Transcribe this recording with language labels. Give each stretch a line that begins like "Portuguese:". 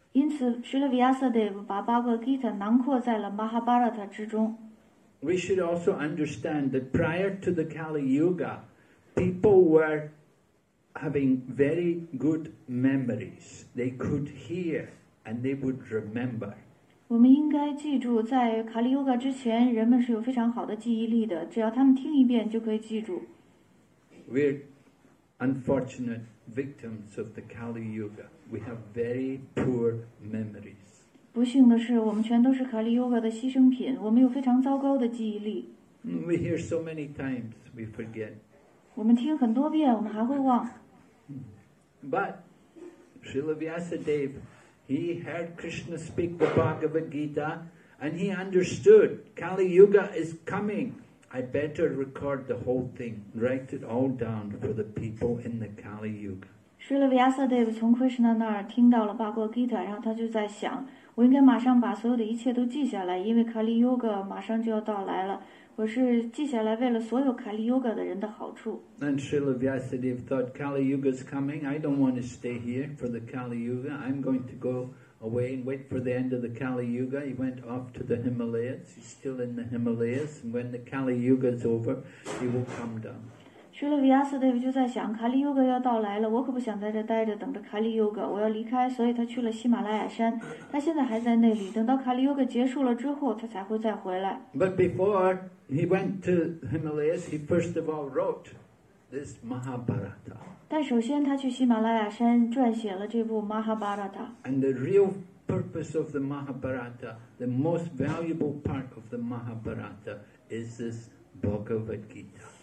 Chinese: 因此 Srila Vyasadeva 把巴格瓦吉塔囊括在了 Mahabharata 之中。
English: We should also understand that prior to the Kali Yuga, people were having very good memories. They could hear and they would remember.
Chinese: 我们应该记住，在 Kali Yuga 之前，人们是有非常好的记忆力的，只要他们听一遍就可以记住。
English: We're unfortunate victims of the Kali Yuga. We have very poor memories.
Chinese: 不幸的是，我们全都是卡利瑜伽的牺牲品。我们有非常糟糕的记忆力。
English: We hear so many times, we forget.
Chinese: 我们听很多遍，我们还会忘。
English: But Srila Vyasadeva, he heard Krishna speak the Bhagavad Gita, and he understood Kali Yuga is coming. I better record the whole thing, write it all down for the people in the Kali Yuga.
Chinese: Srila Vyasadeva 从 Krishna 那儿听到了 Bhagavad Gita， 然后他就在想，我应该马上把所有的一切都记下来，因为 Kali Yuga 马上就要到来了。我是记下来为了所有 Kali Yuga 的人的好处。
English: And Srila Vyasadeva thought Kali Yuga is coming. I don't want to stay here for the Kali Yuga. I'm going to go away and wait for the end of the Kali Yuga. He went off to the Himalayas. He's still in the Himalayas. And when the Kali Yuga is over, he will come down.
Chinese: 去了 Vyasadeva 就在想卡利优格要到来了，我可不想在这待着等着卡利优格，我要离开，所以他去了喜马拉雅山，他现在还在那里，等到卡利优格结束了之后他才会再回来。
English: But before he went to Himalayas, he first of all wrote this Mahabharata.
Chinese: 但首先他去喜马拉雅山撰写了这部 Mahabharata.
English: And the real purpose of the Mahabharata, the most valuable part of the Mahabharata is this Bhagavad Gita.